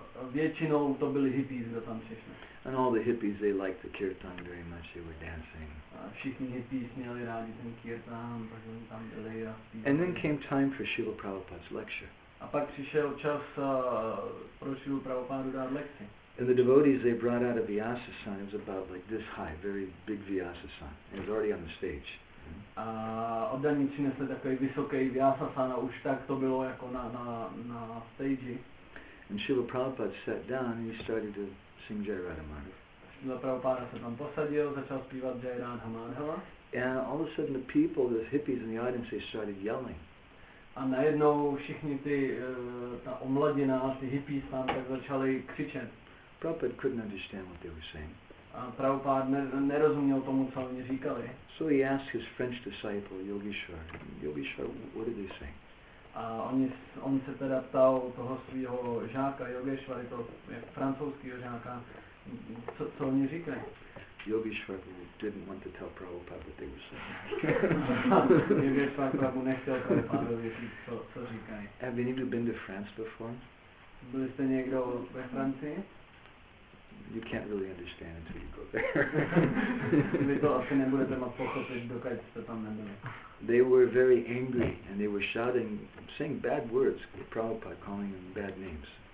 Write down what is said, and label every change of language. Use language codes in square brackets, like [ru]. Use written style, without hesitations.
[cs] Většinou to byli hippies, kdo tam přišli. [en] And all the hippies, they liked the kirtan very much, they were dancing. [cs] Všichni hippies měli rádi ten kirtan, protože oni tam byli a zpívali. [en] And then came time for Srila Prabhupada's lecture. [cs] A pak přišel čas pro Srila Prabhupada dát lekci. [en] And the devotees, they brought out a Vyasa sign. It was about like this high, very big Vyasa sign. It was already on the stage. [cs] A oddaní přinesli takový vysoký Vyasasana, už tak to bylo jako na stage. [en] And Srila Prabhupada sat down and he started to sing Jai Radha Madhava. [cs] Srila Prabhupada se tam posadil, začal zpívat Jai Radha Madhava. [en] And all of a sudden the people, the hippies in the audience, they started yelling. [cs] A najednou všichni ty, ta omladina, ty hippies tam tak začali křičet. [en] Prabhupada couldn't understand what they were saying. [cs] A Prabhupada nerozuměl tomu, co oni říkali. [en] So he asked his French disciple, Yogeshwar, Yogeshwar, what did they say? [cs] A on se teda ptal toho svého žáka, Yogeshwar, toho francouzského žáka, co oni říkají. [en] Yogeshwar didn't want to tell Prabhupada what they were saying. [cs] Yogeshwar Prabhu nechtěl Prabhupadovi říct, co říkají. [en] Have any of you been to France before? [cs] Byl jste někdo ve Francii? [en] You can't really understand until you go there. They were very angry and they were shouting, saying bad words, Prabhupada calling them bad names.